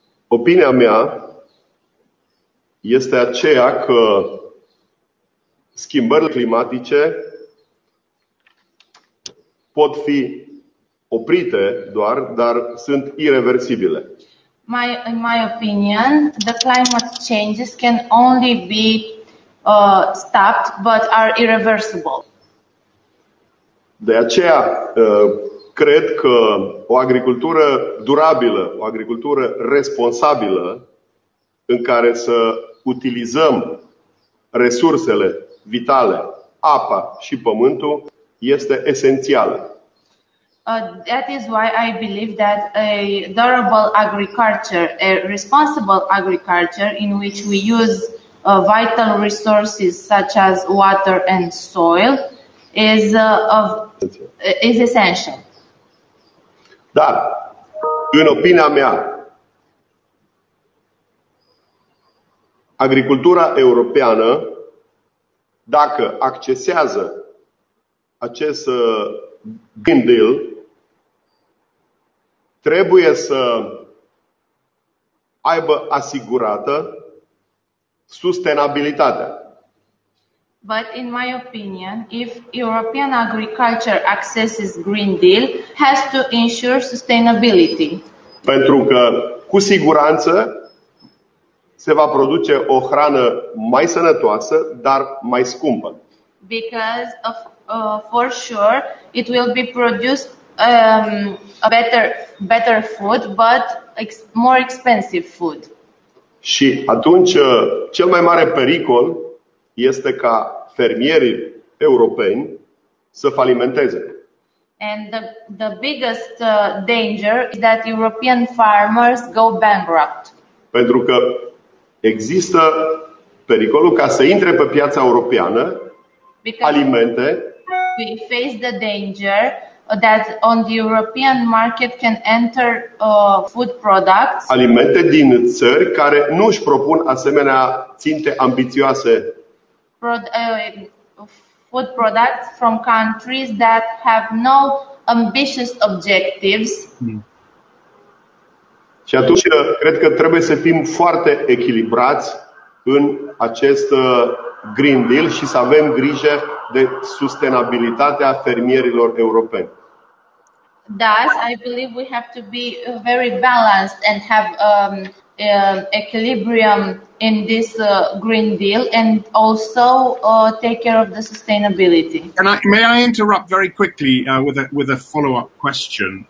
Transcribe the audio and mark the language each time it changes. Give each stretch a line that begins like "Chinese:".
Romanian: Opinia mea este aceea că schimbările climatice pot fi oprite doar, dar sunt irreversibile.
English: In my opinion, the climate changes can only be stopped, but are irreversible.
Romanian: De aceea cred că o agricultură durabilă, o agricultură responsabilă, în care să utilizăm resursele vitale, apa și pământul, este esențială.
English: That is why I believe that a durable agriculture, a responsible agriculture in which we use vital resources such as water and soil is essential.
Romanian: Dar, în opinia mea, agricultura europeană, dacă accesează acest Green Deal, trebuie să aibă asigurată sustenabilitatea.
English: But in my opinion, if European agriculture accesses Green Deal, has to ensure sustainability.
Romanian: Pentru că cu siguranță se va produce o hrană mai sănătoasă, dar mai scumpă.
English: Because of for sure it will be produced a better food, but more expensive food.
Romanian: Și atunci cel mai mare pericol este ca fermierii europeni să falimenteze.
English: And the biggest danger is that European farmers go bankrupt.
Romanian: Pentru că există pericolul ca să intre pe piața europeană
English: because
Romanian: alimente.
English: We face the danger that on the European market can enter food products.
Romanian: Alimente din țări care nu își propun asemenea ținte ambițioase.
English: Food products from countries that have no ambitious objectives.
Romanian: Și atunci cred că trebuie să fim foarte echilibrați în acest Green Deal și să avem grijă de sustenabilitatea fermierilor europeni.
English: Thus, I believe we have to be very balanced and have equilibrium in this Green Deal and also take care of the sustainability. And may I interrupt very quickly with a follow-up question?